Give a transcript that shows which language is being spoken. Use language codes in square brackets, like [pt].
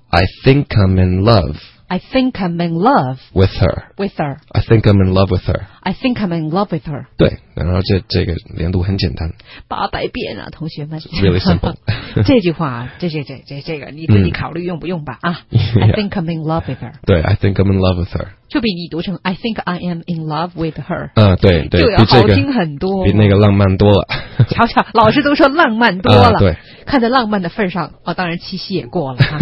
[en] I think I'm in love. I think I'm in love. With her. With her. I think I'm in love with her. I think I'm in love with her. [zh] 对，然后这个连读很简单。八百遍啊，同学们。 [en] Really simple. [zh] 这句话，这个，你自己考虑用不用吧啊。 [en] Yeah. I think I'm in love with her. [zh] 对 [en] ，I think I'm in love with her. [zh] 就比你读成 [en] I think I am in love with her. [zh] 啊，对对，就要好听很多，比那个浪漫多了。瞧瞧，老师都说浪漫多了。对。看在浪漫的份上，哦，当然七夕也过了。